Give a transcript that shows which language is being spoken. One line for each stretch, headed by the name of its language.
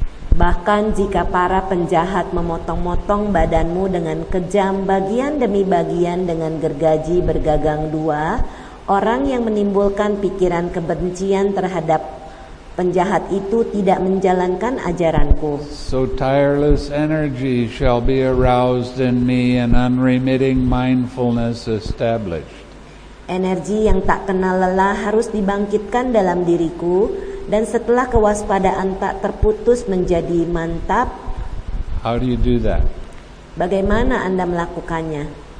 Indonesian: Bahkan jika para penjahat memotong-motong badanmu dengan kejam bagian demi bagian dengan gergaji bergagang dua, orang yang menimbulkan pikiran kebencian terhadap penjahat itu tidak menjalankan ajaranku.
English: So tireless energy shall be aroused in me and unremitting mindfulness established.
Indonesian: Energi yang tak kenal lelah harus dibangkitkan dalam diriku, dan setelah kewaspadaan tak terputus menjadi mantap.
English: How do you do that?
Indonesian: Bagaimana Anda melakukannya?